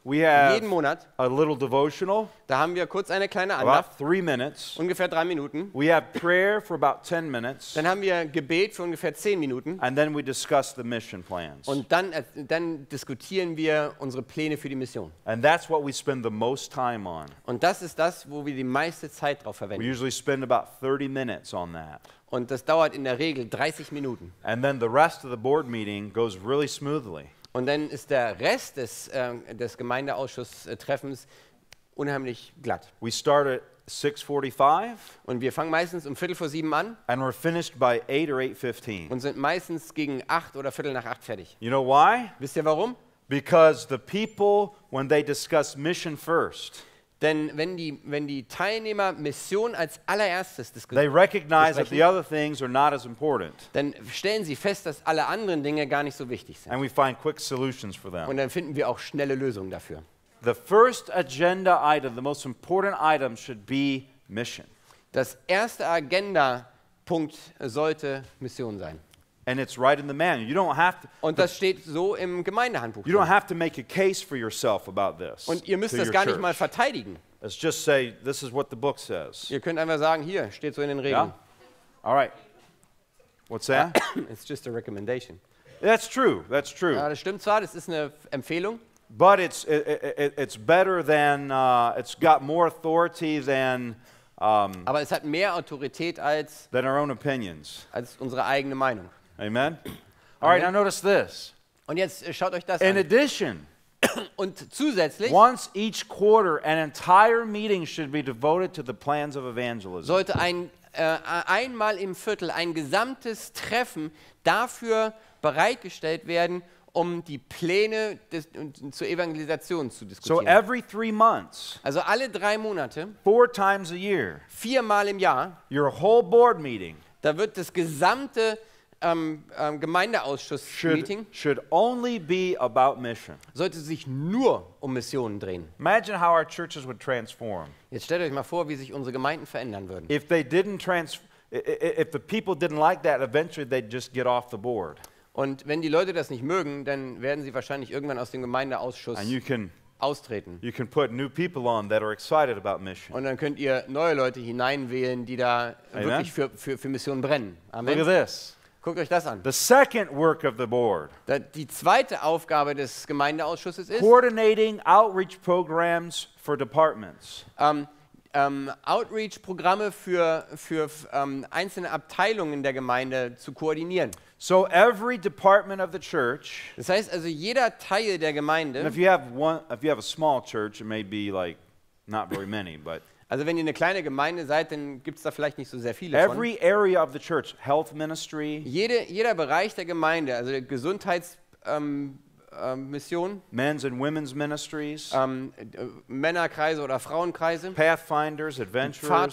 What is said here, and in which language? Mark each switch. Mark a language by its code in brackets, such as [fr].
[en] we have [de] jeden Monat, [en] a little devotional. [de] Da haben wir kurz eine kleine Andacht, [en] about 3 minutes. [de] Ungefähr 3 Minuten. [en] We have prayer for about 10 minutes. [de] Dann haben wir Gebet für ungefähr 10 Minuten. [en] And then we discuss the mission plans. [de] Und dann diskutieren wir unsere Pläne für die Mission. [en] And that's what we spend the most time on. [de] Und das ist das, wo wir die meiste Zeit drauf verwenden. [en] We usually spend about 30 minutes on that. [de] Und das dauert in der Regel 30 Minuten. [en] And then the rest of the board meeting goes really smoothly. [de] Und dann ist der Rest des Gemeindeausschusstreffens unheimlich glatt. [en] We start at 6:45. [de] Und wir fangen meistens um 6:45 an. [en] And we're finished by 8 or 8:15. [de] Und sind meistens gegen 8 oder 7:45 fertig. [en] You know why? [de] Wisst ihr warum? [en] Because the people, when they discuss mission first. [de] Denn wenn die Teilnehmer Mission als allererstes diskutieren, [en] they recognize that the other things are not as important. [de] Dann stellen sie fest, dass alle anderen Dinge gar nicht so wichtig sind. [en] And we find quick solutions for them. [de] Und dann finden wir auch schnelle Lösungen dafür. [en] The first agenda item, the most important item, should be mission. [de] Das erste Agenda-Punkt sollte Mission sein. [en] And it's right in the manual. You don't have to. [de] Und das steht so im Gemeindehandbuch. [en] You don't have to make a case for yourself about this. [de] Und ihr müsst das gar nicht mal verteidigen. [en] Let's just say this is what the book says. [de] Ihr könnt einfach sagen, hier steht so in den Regeln. [en] Yeah. All right. What's that? It's just a recommendation. That's true. That's true. [de] Ja, das stimmt zwar. Das ist eine Empfehlung. [en] But it's better than it's got more authority than. [de] Aber es hat mehr Autorität als. [en] Than our own opinions. [de] Als unsere eigene Meinung. [en] Amen. All right, now notice this. [de] Und jetzt schaut euch das [en] an. In addition, [de] und zusätzlich, [en] once each quarter, an entire meeting should be devoted to the plans of evangelism. [de] Sollte einmal im Viertel ein gesamtes Treffen dafür bereitgestellt werden, um die Pläne zur Evangelisation zu diskutieren. [en] So every 3 months. [de] Also alle 3 Monate. [en] 4 times a year. [de] 4-mal im Jahr. [en] Your whole board meeting. [de] Da wird das gesamte Gemeindeausschuss-Meeting [en] should only be about mission. [de] Sollte sich nur um Missionen drehen. [en] Imagine how our churches would transform. [de] Jetzt stellt euch mal vor, wie sich unsere Gemeinden verändern würden. [en] If they didn't if the people didn't like that, eventually they'd just get off the board. [de] Und wenn die Leute das nicht mögen, dann werden sie wahrscheinlich irgendwann aus dem Gemeindeausschuss austreten. [en] You can put new people on that are excited about mission. [de] Und dann könnt ihr neue Leute hineinwählen, die da Amen. Wirklich für Missionen brennen. Amen. [en] Look at this. [de] Guckt euch das an. [en] The second work of the board. [de] Die zweite Aufgabe des Gemeindeausschusses ist [en] coordinating outreach programs for departments. [de] Outreach-Programme für einzelne Abteilungen der Gemeinde zu koordinieren. [en] So every department of the church. [de] Das heißt also jeder Teil der Gemeinde. [en] And if you have a small church, it may be like not very many, but. [de] Also wenn ihr eine kleine Gemeinde seid, dann gibt es da vielleicht nicht so sehr viele. [en] Every area of the church, health ministry. [de] Jeder Bereich der Gemeinde, also der Gesundheitsmission. [en] Men's and women's ministries. [de] Männerkreise oder Frauenkreise. [en] Pathfinders, adventurers.